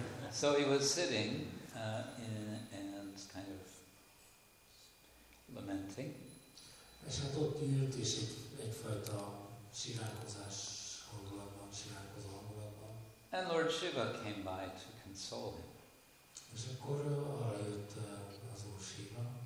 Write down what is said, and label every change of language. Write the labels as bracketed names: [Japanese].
[English] So he was sitting and kind of lamenting. [Hungarian] És hát ott ült, és egyfajta siránkozás hangulatban, siránkozó hangulatban. [English] And Lord Shiva came by to console him. [Hungarian] És akkor arra jött az Úr Shiva.